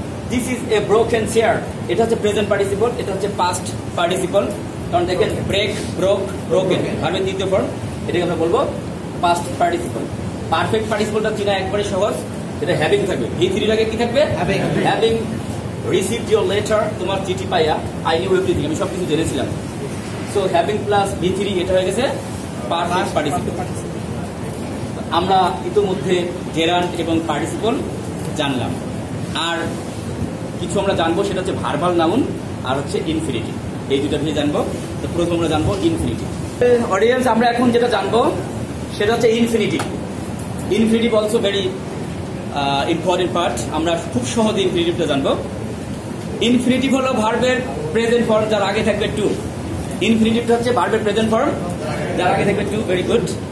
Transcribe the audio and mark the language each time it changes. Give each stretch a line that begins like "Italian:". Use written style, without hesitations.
English: this is a broken chair,
Bangla: এটা হচ্ছে present participle, এটা হচ্ছে পাস্ট পার্টিসিপল, কারণ দেখেন ব্রেক ব্রোক ব্রোকেন ভার্বের দ্বিতীয় ফর্ম, এটাকে আমরা বলবো পাস্ট পার্টিসিপল। পারফেক্ট পার্টিসিপলটা চিনা একবারে সহজ, এটা হ্যাভিং থাকবে, ভি থ্রির আগে কি থাকবে? হ্যাভিং।
English: Received your letter,
Bangla: তোমার চিঠি পাইয়া,
English: I knew everything,
Bangla: আমি সবকিছু জেনেছিলাম।
English: So having plus V3
Bangla: এটা হয়ে গেছে
English: perfect participle।
Bangla: আমরা ইতোমধ্যে gerund এবং participle জানলাম, আর কিছু আমরা জানবো সেটা হচ্ছে verbal noun আর হচ্ছে infinitive, এই দুটো নিয়ে জানবো। তো প্রথম আমরা জানবো infinitive। অডিয়েন্স আমরা এখন যেটা জানবো সেটা হচ্ছে infinitive।
English: Infinitive also very important part,
Bangla: আমরা খুব সহজে
English: infinitive জানবো।
Bangla: ইনফিনিটিভ হলো ভার্বের প্রেজেন্ট ফর্ম যার আগে থাকবে টু, ইনফিনিটিভটা হচ্ছে ভার্বের প্রেজেন্ট ফর্ম যার আগে থাকবে টু, ভেরি গুড।